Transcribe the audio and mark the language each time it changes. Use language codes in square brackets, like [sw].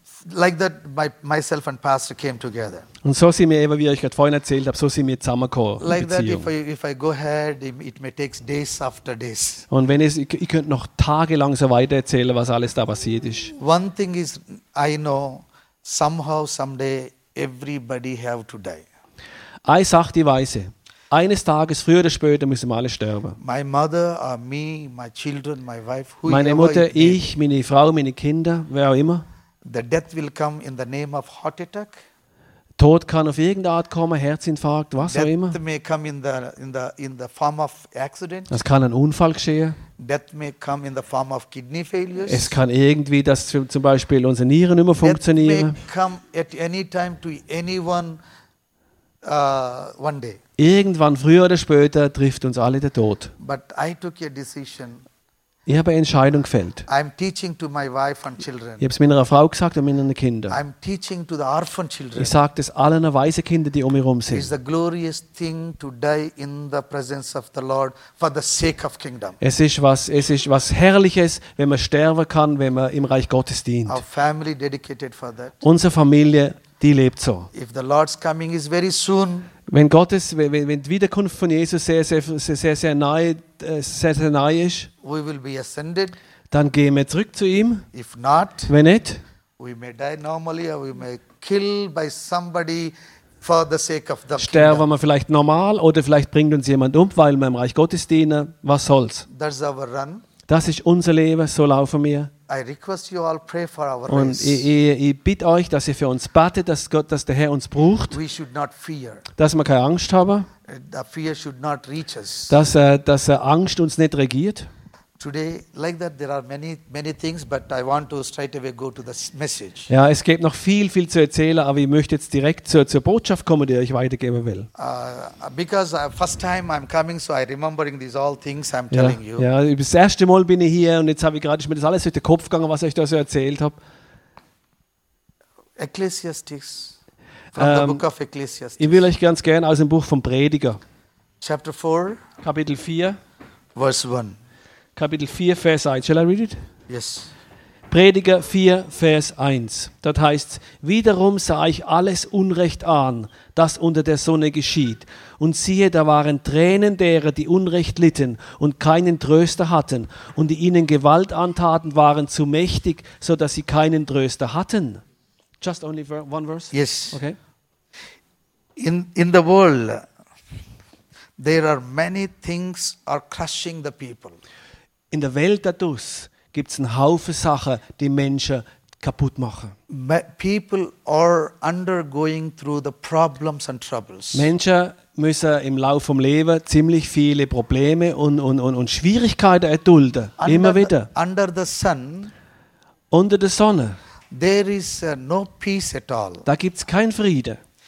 [en] Like that myself and pastor came together. [de] Und so sind wir eben, wie ich euch gerade vorhin erzählt habe, so sind wir zusammengekommen. [en] Like that if I go ahead it may take days after days. [de] Und wenn ich könnte noch tagelang so weiter erzählen, was alles da passiert ist. [en] One thing is I know somehow someday everybody have to die. [de] Eine Sache, die weiß ich. Eines Tages, früher oder später, müssen wir alle sterben. [en] My mother, me, my children, my wife, whoever. [de] Meine Mutter, ich, meine Frau, meine Kinder, wer auch immer. [en] The death will come in the name of heart attack. [de] Tod kann auf irgendeine Art kommen, Herzinfarkt, was auch immer. [en] May come in the form of accident. [de] Es kann ein Unfall geschehen. [en] Death may come in the form of kidney failures. [de] Es kann irgendwie, dass zum Beispiel unsere Nieren nicht mehr funktionieren. [en] may come at any time to anyone one day. [de] Irgendwann, früher oder später, trifft uns alle der Tod. [en] But I took a decision. [de] Ich habe eine Entscheidung gefällt. [en] I'm teaching to my wife and children. [de] Ich habe es meiner Frau gesagt und meinen Kindern. [en] I'm teaching to the orphan children. [de] Ich sage es allen weisen Kindern, die um mich herum sind. [en] It's the glorious thing to die in the presence of the Lord for the sake of kingdom. [de] Es ist was Herrliches, wenn man sterben kann, wenn man im Reich Gottes dient. [en] Our family dedicated for that. [de] Unsere Familie, die lebt so. [en] If the Lord's coming is very soon. [de] Wenn Gottes, wenn die Wiederkunft von Jesus sehr, sehr, sehr, sehr, sehr nahe, sehr, sehr nahe ist, [en] we will be ascended. [de] Dann gehen wir zurück zu ihm. [en] If not, [de] wenn nicht, [en] we may die normally or we may kill by somebody for the sake of the [de] sterben [en] kingdom. [de] Wir vielleicht normal oder vielleicht bringt uns jemand um, weil wir im Reich Gottes dienen. Was soll's? [en] That's our run. [de] Das ist unser Leben, so laufen wir. [en] I request you all pray for our race. [de] Und ich bitte euch, dass ihr für uns betet, dass Gott, dass der Herr uns braucht. [en] We should not fear. [de] Dass wir keine Angst haben. [en] The fear should not reach us. [de] Dass Angst uns nicht regiert. [en] Today, like that, there are many, many things, but I want to straight away go to the message. [de] Ja, es gibt noch viel, viel zu erzählen, aber ich möchte jetzt direkt zur Botschaft kommen, die ich euch weitergeben will. [en] First time I'm coming, so I remembering these all things I'm telling you. [de] Ja, das erste Mal bin ich hier und jetzt habe ich gerade mir das alles durch den Kopf gegangen, was ich da so erzählt habe. [en] Ecclesiastes, from the book of Ecclesiastes. [de] Ich will euch ganz gern aus dem Buch vom Prediger. [en] Chapter 4, [de] Kapitel 4, [en] Verse 1. [de] Kapitel 4, Vers 1. [en] Shall I read it? Yes. [de] Prediger 4, Vers 1. Dort heißt es, wiederum sah ich alles Unrecht an, das unter der Sonne geschieht. Und siehe, da waren Tränen derer, die Unrecht litten und keinen Tröster hatten. Und die ihnen Gewalt antaten, waren zu mächtig, so dass sie keinen Tröster hatten. [en] Just only one verse? Yes. Okay. In the world, there are many things are crushing the people. [de] In der Welt dadurch gibt's einen Haufen Sachen, die Menschen kaputt machen. [en] People are undergoing through the problems and troubles. [de] Menschen müssen im Laufe vom Leben ziemlich viele Probleme und Schwierigkeiten erdulden, immer wieder. [en] Under the sun, [de] unter der Sonne, [en] there is no peace at all. [de] Da gibt's keinen Frieden.